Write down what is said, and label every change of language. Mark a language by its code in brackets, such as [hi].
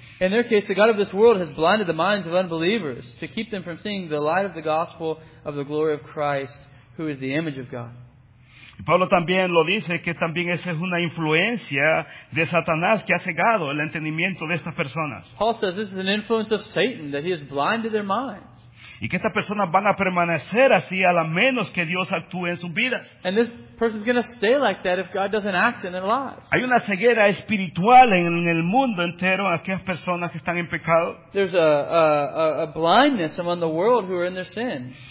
[en] In their case, the God of this world has blinded the minds of unbelievers to keep them from seeing the light of the gospel of the glory of Christ, who is the image of God. [es] Y Pablo también lo dice, que también esa es una influencia de Satanás que ha cegado el entendimiento de estas personas. [en] Paul says this is an influence of Satan, that he has blinded their minds. [es] Y que estas personas van a permanecer así a la menos que Dios actúe en sus vidas. [en] And this person is going to stay like that if God doesn't act in their lives. [es] Hay una ceguera espiritual en el mundo entero a aquellas personas que están en pecado. [en] There's a blindness among the world who are in their sin.